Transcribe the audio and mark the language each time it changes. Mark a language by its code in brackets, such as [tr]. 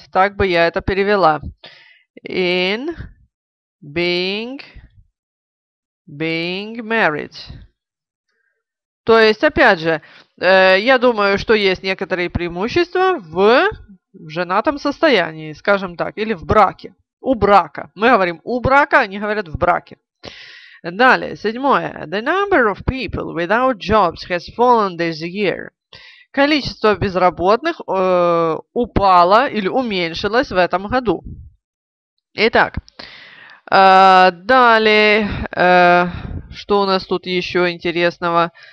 [ru] Так бы я это перевела. [en] In being married. [ru] То есть, опять же, я думаю, что есть некоторые преимущества в женатом состоянии, скажем так, или в браке. У брака. Мы говорим у брака, они говорят в браке. Далее, седьмое. [en] The number of people without jobs has fallen this year. [ru] Количество безработных упало или уменьшилось в этом году. Итак, далее, что у нас тут еще интересного?